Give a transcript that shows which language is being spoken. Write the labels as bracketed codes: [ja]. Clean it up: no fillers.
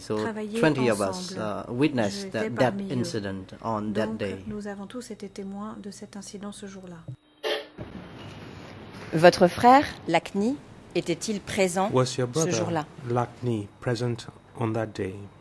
[en] So 20 of us witnessed that incident on that day. [fr] Nous avons tous été témoins de cet incident ce jour-là. Votre frère, Lach Kry, était-il présent ce jour-là? [en] Was your brother, Lach Kry, present on that day?